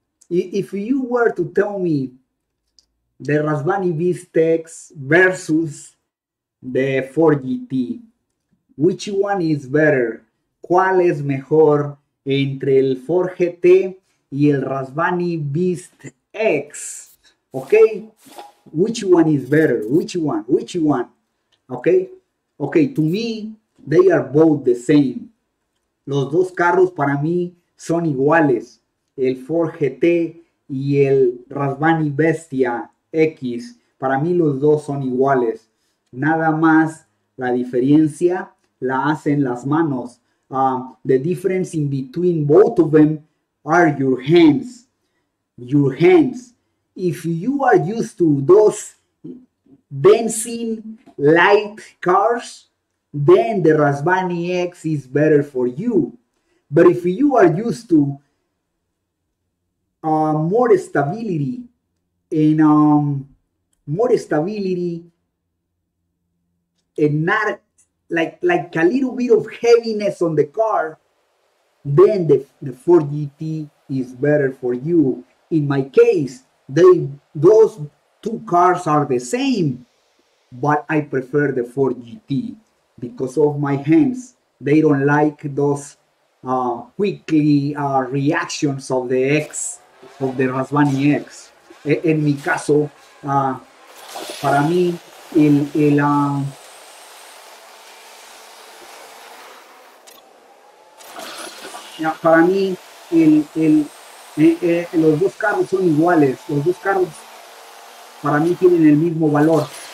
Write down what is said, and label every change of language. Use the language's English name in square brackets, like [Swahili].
[English] If you were to tell me the Rasbani Beast X versus the Ford GT, which one is better? [Spanish] ¿Cuál es mejor entre el Ford GT y el Rasbani Beast X? [English] Okay, which one is better? Which one? Okay, to me, they are both the same. [Spanish] Los dos carros para mí son iguales. El Ford GT y el Rasbani Bestia X. Para mí los dos son iguales. Nada más la diferencia la hacen las manos. [English] The difference in between both of them are your hands. Your hands. If you are used to those dancing light cars, then the Rasbani X is better for you. But if you are used to more stability and not like a little bit of heaviness on the car, then the Ford GT is better for you. In my case, those two cars are the same, but I prefer the Ford GT because of my hands. They don't like those quickly reactions of the X, of the Rasbani X. [Spanish] En mi caso, para mí, los dos carros son iguales. Los dos carros para mí tienen el mismo valor.